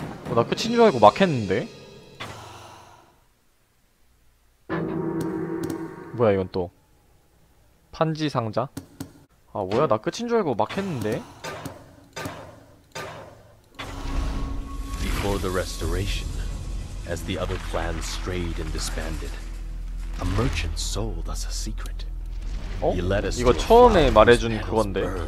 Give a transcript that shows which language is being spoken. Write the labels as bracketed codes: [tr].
[ko] 어, 나 끝인 줄 알고 막 했는데. 뭐야 이건 또 판지 상자? 아 뭐야, 나 끝인 줄 알고 막 했는데. [en] Before the restoration, as the other clans strayed and disbanded, a merchant sold us a secret. [ko] 어? 이거 처음에 말해준 그건데.